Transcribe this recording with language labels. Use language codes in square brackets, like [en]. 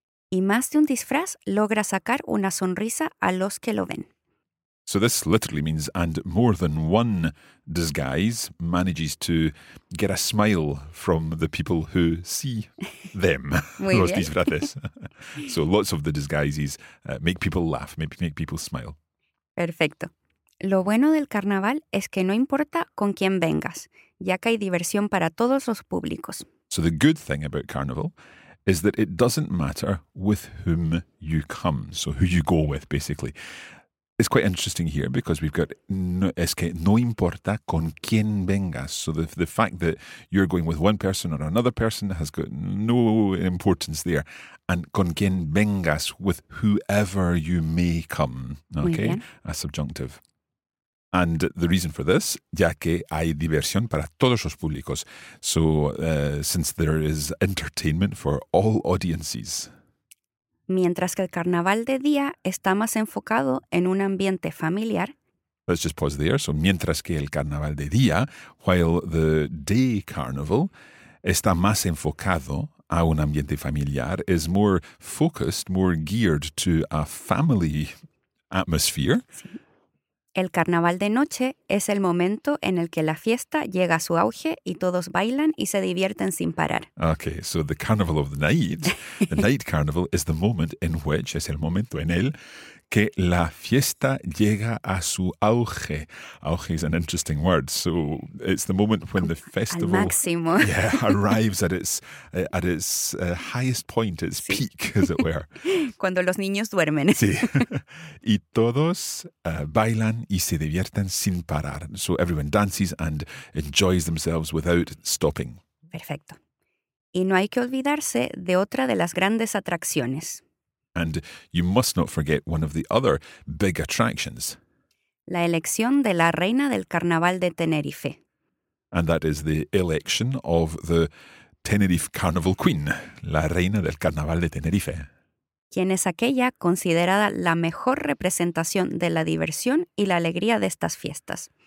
[es] Y más de un disfraz logra sacar una sonrisa a los que lo ven. [en] So this literally means, and more than one disguise manages to get a smile from the people who see them, [es] los disfraces. [en] So lots of the disguises make people laugh, make people smile. [es] Perfecto. Lo bueno del carnaval es que no importa con quién vengas, ya que hay diversión para todos los públicos. [en] So the good thing about carnival is that it doesn't matter with whom you come, so who you go with, basically. It's quite interesting here because we've got no, [es] es que no importa con quién vengas. [en] So the fact that you're going with one person or another person has got no importance there. And [es] con quién vengas, [en] with whoever you may come. Okay, a subjunctive. And the reason for this, [es] ya que hay diversión para todos los públicos. [en] So since there is entertainment for all audiences. [es] Mientras que el carnaval de día está más enfocado en un ambiente familiar. [en] Let's just pause there. So, [es] mientras que el carnaval de día, [en] while the day carnival [es] está más enfocado a un ambiente familiar, [en] is more focused, more geared to a family atmosphere. [es] Sí. El carnaval de noche es el momento en el que la fiesta llega a su auge y todos bailan y se divierten sin parar. [en] Okay, so the carnival of the night carnival is the moment in which, [es] es el momento en el que la fiesta llega a su auge. [en] Auge is an interesting word, so it's the moment when the festival [es] al máximo. [en] Yeah, arrives at its highest point, its peak, as it were. [es] Cuando los niños duermen. Sí. Y todos bailan y se divierten sin parar. [en] So everyone dances and enjoys themselves without stopping. [es] Perfecto. Y no hay que olvidarse de otra de las grandes atracciones. [en] And you must not forget one of the other big attractions. [es] La elección de la reina del carnaval de Tenerife. [en] And that is the election of the Tenerife Carnival Queen, [es] la reina del carnaval de Tenerife. ¿Quién es aquella considerada la mejor representación de la diversión y la alegría de estas fiestas?